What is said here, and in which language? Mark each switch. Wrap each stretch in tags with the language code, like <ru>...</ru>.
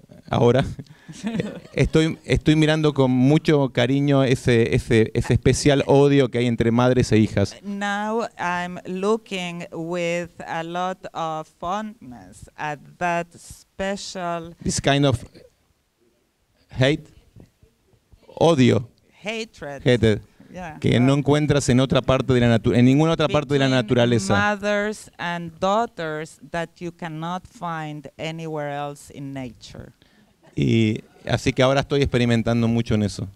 <es>Ahora estoy mirando con mucho cariño ese especial odio que hay entre madres e hijas.</es> <en>Now I'm looking with a lot of fondness at that special. This kind of hate, odio. Hatred. Hated.</en> <es>que no encuentras en otra parte de la en ninguna otra parte de la naturaleza.</es> <en>Mothers and daughters that you cannot find anywhere else in nature.</en> <es>Y así que ahora estoy experimentando mucho en eso.</es>